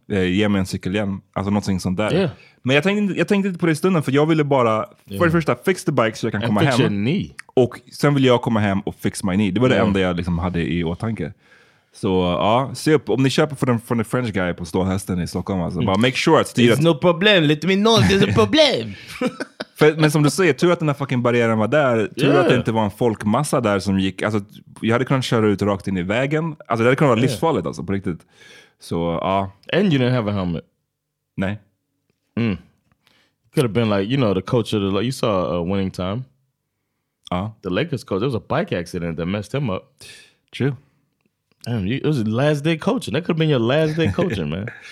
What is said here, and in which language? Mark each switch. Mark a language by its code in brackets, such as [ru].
[sv] Ge mig en cykelhjälm. Alltså någonting sånt där. [en] Yeah. [sv] Men jag tänkte inte på det i stunden, för jag ville bara, för det första, [en] fix the bike [sv] så jag kan komma hem. Och sen vill jag komma hem och [en] fix my knee. [sv] Det var det enda jag liksom hade i åtanke. Så ja, se upp. Om ni köper från en French guy på Stålhästen i Stockholm, alltså, bara [en] make sure [sv] att styret... [en] It's no problem, let me know, it's a problem. [sv] För, men som du säger, tur att den här fucking barriären var där. Tur att det inte var en folkmassa där som gick. Alltså, jag hade kunnat köra ut rakt in i vägen. Alltså, det hade kunnat vara livsfarligt, alltså, på riktigt. Så ja. [en] And you didn't have a helmet. [sv] Nej. Mm. [en] Could have been like, you know, the coach of the, like, you saw Winning Time. The Lakers coach, there was a bike accident that messed him up. True. Damn, you, it was last day coaching. That could have been your last day coaching, man.